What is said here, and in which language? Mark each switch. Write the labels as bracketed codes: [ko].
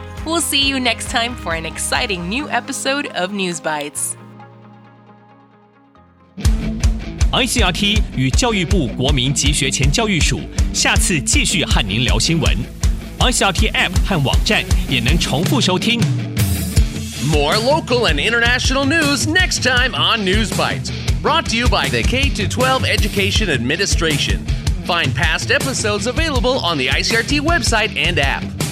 [en] We'll see you next time for an exciting new episode of Newsbites. [zh] ICRT 与教育部国民及学前教育署下次继续和您聊新闻。 ICRT App 和网站也能重复收听。 [en] More local and international news next time on News Bites. Brought to you by the K-12 Education Administration. Find past episodes available on the ICRT website and app.